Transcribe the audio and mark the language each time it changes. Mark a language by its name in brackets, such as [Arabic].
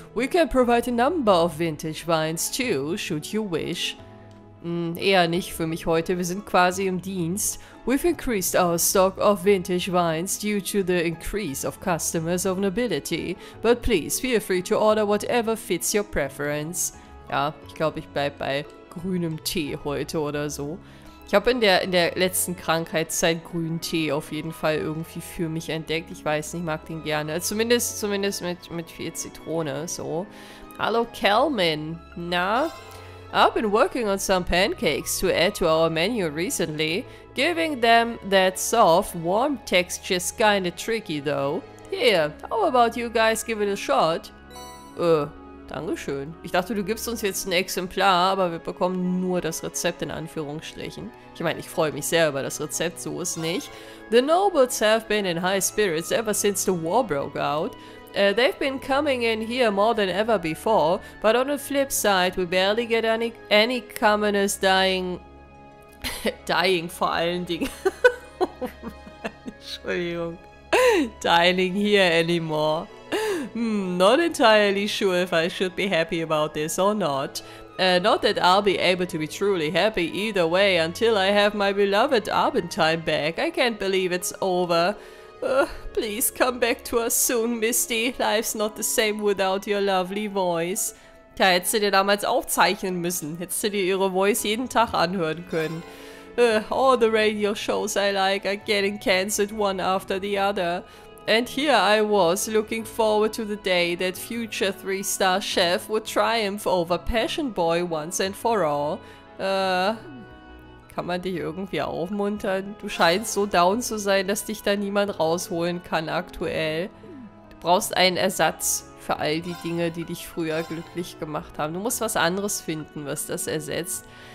[English] We can provide a number of vintage wines too, should you wish. [German] Eher nicht für mich heute. Wir sind quasi im Dienst. [English] We've increased our stock of vintage wines due to the increase of customers of nobility. But please feel free to order whatever fits your preference. [German] Ja, ich glaube, ich bleib bei grünem Tee heute oder so. Ich habe in der letzten Krankheitszeit grünen Tee auf jeden Fall irgendwie für mich entdeckt. Ich weiß nicht, ich mag den gerne. Zumindest mit viel Zitrone, so. Hallo, Kelmin. Na? [English] I've been working on some pancakes to add to our menu recently. Giving them that soft, warm texture is kinda tricky though. Here, how about you guys give it a shot? [German] Dankeschön. Ich dachte, du gibst uns jetzt ein Exemplar, aber wir bekommen nur das Rezept in Anführungsstrichen. Ich meine, ich freue mich sehr über das Rezept, so ist nicht. [English] The nobles have been in high spirits ever since the war broke out. They've been coming in here more than ever before, but on the flip side, we barely get any commoners dying. [German] Dying vor allen Dingen. Entschuldigung. [English] Dining here anymore. Not entirely sure if I should be happy about this or not. Not that I'll be able to be truly happy either way until I have my beloved Arbentine back. I can't believe it's over. Please come back to us soon, Misty. Life's not the same without your lovely voice. [German] Tja, hättest du dir damals aufzeichnen müssen. Hättest du dir ihre Voice jeden Tag anhören können. [English] All the radio shows I like are getting cancelled one after the other. And here I was, looking forward to the day that future three-star chef would triumph over Passion Boy once and for all. [German] Kann man dich irgendwie aufmuntern? Du scheinst so down zu sein, dass dich da niemand rausholen kann aktuell. Du brauchst einen Ersatz für all die Dinge, die dich früher glücklich gemacht haben. Du musst was anderes finden, was das ersetzt.